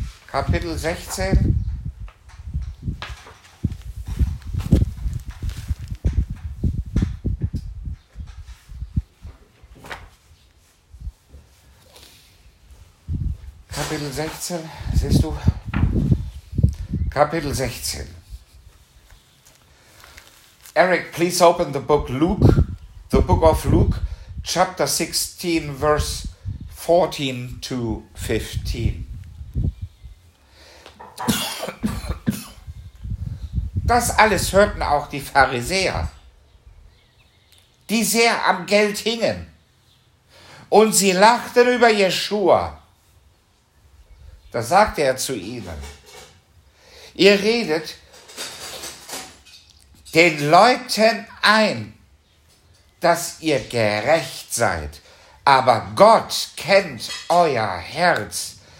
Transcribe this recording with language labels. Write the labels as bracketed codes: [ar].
[de] Kapitel 16, Kapitel 16, siehst du? Kapitel 16. [en] Eric, please open the book Luke, the book of Luke, chapter 16, verse 14 to 15. [de] Das alles hörten auch die Pharisäer, die sehr am Geld hingen. Und sie lachten über Jeschua. Da sagte er zu ihnen: Ihr redet den Leuten ein, dass ihr gerecht seid, aber Gott kennt euer Herz.